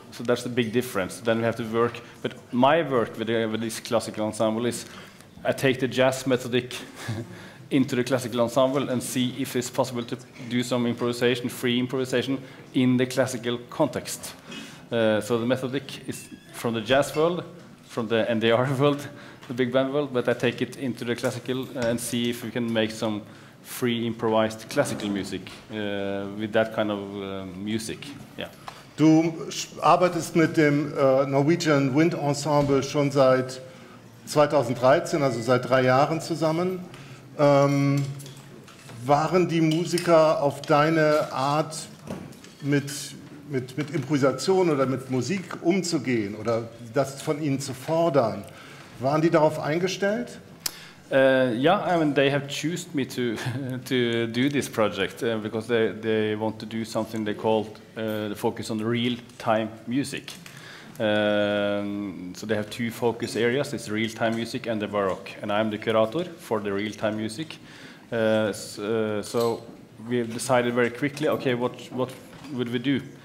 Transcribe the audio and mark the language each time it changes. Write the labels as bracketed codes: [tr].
[en] So that's the big difference. Then we have to work. But my work with this classical ensemble is I take the jazz methodic into the classical ensemble and see if it's possible to do some improvisation, free improvisation, in the classical context. So the methodic is from the jazz world, from the NDR world, the big band world, but I take it into the classical and see if we can make some free improvised classical music with that kind of music. Yeah. [de] Du arbeitest mit dem Norwegian Wind Ensemble schon seit 2013, also seit 3 Jahren zusammen. Waren die Musiker auf deine Art mit Improvisation oder mit Musik umzugehen oder das von ihnen zu fordern, waren die darauf eingestellt? [en] They have chosen me to do this project because they want to do something they called the focus on real-time music. So they have 2 focus areas, it's real-time music and the baroque. And I'm the curator for the real-time music. So we decided very quickly, okay, what would we do?